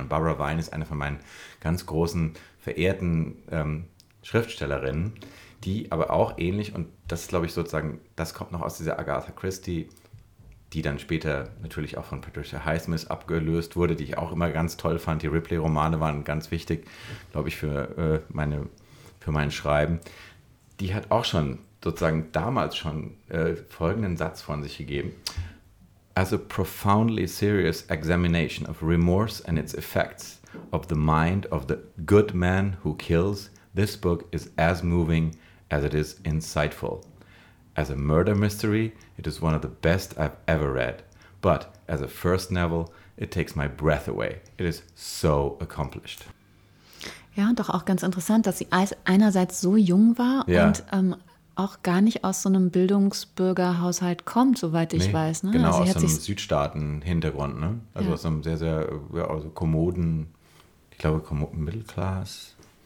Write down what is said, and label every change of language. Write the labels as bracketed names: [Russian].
[German] Und Barbara Vine ist eine von meinen ganz großen, verehrten Schriftstellerinnen, die aber auch ähnlich, und das glaube ich sozusagen, das kommt noch aus dieser Agatha Christie, die dann später natürlich auch von Patricia Highsmith abgelöst wurde, die ich auch immer ganz toll fand. Die Ripley-Romane waren ganz wichtig, glaube ich, für mein Schreiben. Die hat auch schon sozusagen damals schon folgenden Satz von sich gegeben. [English] As a profoundly serious examination of remorse and its effects of the mind of the good man who kills, this book is as moving as it is insightful. As a murder mystery, it is one of the best I've ever read. But as a first novel, it takes my breath away. It is so accomplished. [German] Ja, und doch auch ganz interessant, dass sie einerseits so jung war und auch gar nicht aus so einem Bildungsbürgerhaushalt kommt, soweit ich weiß. Ne? Genau, also aus einem Südstaaten-Hintergrund, ne? Also aus einem sehr, sehr also kommoden, ich glaube, Middle Class.